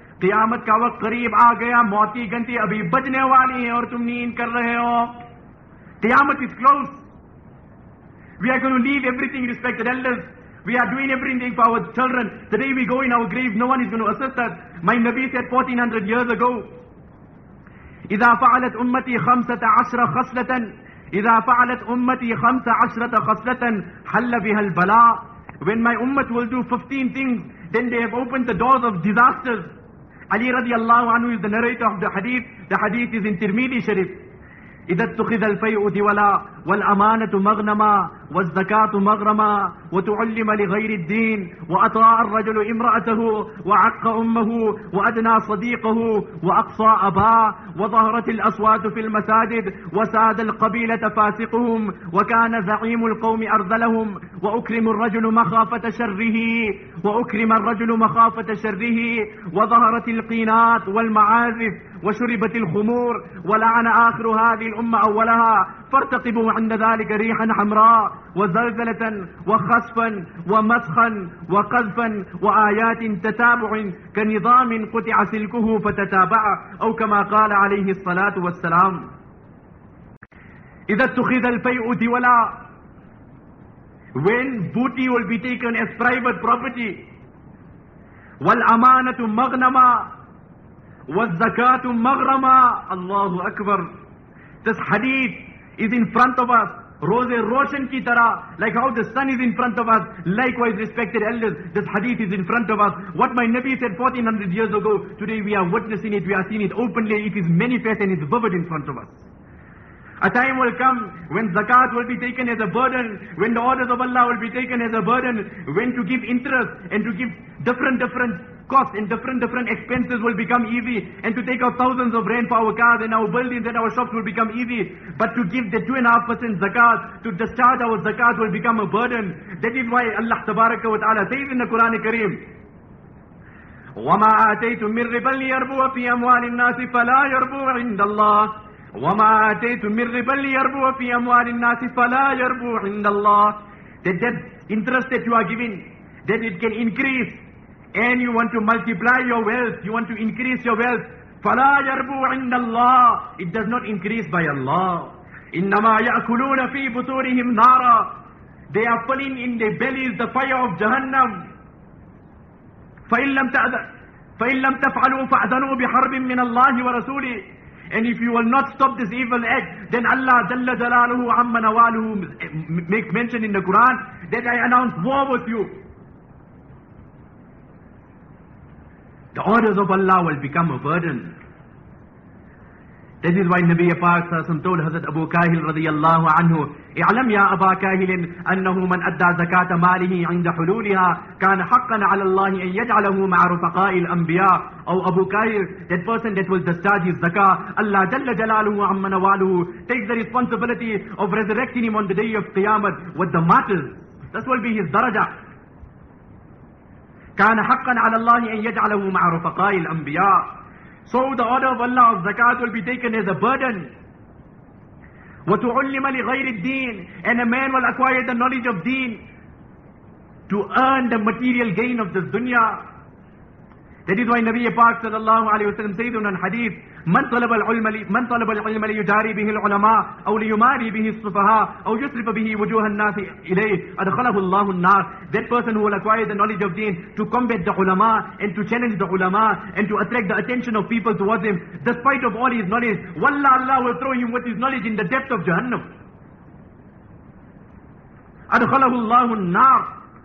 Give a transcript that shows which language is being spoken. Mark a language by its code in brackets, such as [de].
[ur] قیامت کا وقت قریب آ گیا, موت کی گھنٹی ابھی بجنے والی ہے اور تم نیند کر رہے ہو. [en] قیامت is close. We are going to leave everything, respected elders. We are doing everything for our children. The day we go in our grave, no one is going to assist us. My Nabi said 1400 years ago, [ar] اذا فعلت امتی خمسة عشر خصلة حل بها البلاء. [en] When my ummah will do 15 things, then they have opened the doors of disasters. Ali radiallahu anhu is the narrator of the hadith. The hadith is in Tirmidhi Sharif. [ar] إِذَا اتُّخِذَ الْفَيْءُ دِوَلَا وَالْأَمَانَةُ مَغْنَمَا وَالزَّكَاةُ مَغْرَمَا وَتُعُلِّمَ لِغَيْرِ الدِّينِ وَأَطَاعَ الرَّجُلُ إِمْرَأَتَهُ وَعَقَّ أُمَّهُ وَأَدْنَى صَدِيقَهُ وَأَقْصَى أَبَاهُ وَظَهَرَتِ الْأَصْوَاتُ فِي الْمَسَاجِدِ وَسَادَ الْقَبِيلَةَ فَاسِقُهُمْ وَكَانَ زَعِيمُ الْقَوْمِ أَرْذَلَهُمْ وَأُكْرِمَ الرَّجُلُ مَخَافَةَ شَرِّهِ وَظَهَرَتِ الْقِينَاتُ وَالْمَعَازِفُ وشربت الخمور ولعن آخر هذه الأمة أولها فارتقبوا عند ذلك ريحا حمراء وزلزلة وخسفا ومسخا وقذفا وآيات تتابع كنظام قطع سلكه فتتابع أو كما قال عليه الصلاة والسلام إذا اتخذ الفيء دولا. [en] When booty will be taken as private property, [ar] والأمانة مغنما وَالزَّكَاةُ مَغْرَمَا. [en] Allahu Akbar. This hadith is in front of us. [ur] Roze Roshan ki tara, [en] like how the sun is in front of us. Likewise, respected elders, this hadith is in front of us. What my Nabi said 1400 years ago, today we are witnessing it, we are seeing it openly. It is manifest and it's vivid in front of us. A time will come when zakat will be taken as a burden, when the orders of Allah will be taken as a burden, when to give interest and to give different costs and different expenses will become easy, and to take out thousands of rand for our cars and our buildings and our shops will become easy. But to give the 2.5% zakat, to discharge our zakat will become a burden. That is why Allah tabaraka wa ta'ala says in the Quran Kareem, [ar] وَمَا آتَيْتُم مِّن رِّبًا لِّيَرْبُوَ فِي أَمْوَالِ النَّاسِ فَلَا يَرْبُوَ عِندَ اللَّهِ وَمَا آتَيْتُم مِّن رِّبًا لِّيَرْبُوَ فِي أَمْوَالِ النَّاسِ فَلَا يَرْبُوَ عِندَ اللَّهِ. [en] That that interest that you are giving, that it can increase, and you want to multiply your wealth, you want to increase your wealth, [ar] فَلَا يَرْبُوَ عِندَ اللَّهِ. [en] It does not increase by Allah. [ar] إِنَّمَا يَأْكُلُونَ فِي بُطُورِهِمْ نَارًا. [en] They are pulling in their bellies the fire of Jahannam. [ar] فَإِن لَمْ تَفْعَلُوا فَأَذَنُوا بِحَرْبٍ مِّنَ اللَّهِ وَرَسُولِهِ. [en] And if you will not stop this evil act, then Allah Jalla Jalaluhu Amma Nawaluhu make mention in the Quran that I announce war with you. The orders of Allah will become a burden. That is why Nabi Paak Sasam told Hazrat Abu Kahil radiyallahu anhu, [ar] اعلم يا أبا كاهل أنه من أدى زكاة ماله عند حلولها كان حقا على الله أن يجعله مع رفقاء الأنبياء. [en] أو أبو كاهل, that person that will discharge his zakah, Allah جل جلاله عم نواله takes the responsibility of resurrecting him on the day of قيامت with the martyrs. That will be his درجة. [ar] كان حقا على الله أن يجعله مع رفقاء الأنبياء. [en] So the order of Allah of zakat will be taken as a burden. [ar] وَتُعُلِّمَ لِغَيْرِ الدِّينِ. [en] And a man will acquire the knowledge of deen to earn the material gain of this dunya. That is why Nabi Paak sallallahu alayhi wa sallam says in an hadith, [ar] مَنْ طَلَبَ الْعُلْمَ لِيُجَارِي بِهِ الْعُلَمَاءِ أَوْ لِيُمَارِي بِهِ الصُّفَهَا أَوْ يُسْرِفَ بِهِ وُجُوهَ النَّاسِ إِلَيْهِ أَدْخَلَهُ اللَّهُ النَّارِ. [en] That person who will acquire the knowledge of deen to combat the ulama and to challenge the ulama and to attract the attention of people towards him, despite of all his knowledge, wallah, Allah will throw him with his knowledge in the depth of Jahannam. [ar] أَدْخَلَهُ اللَّهُ النَّارِ.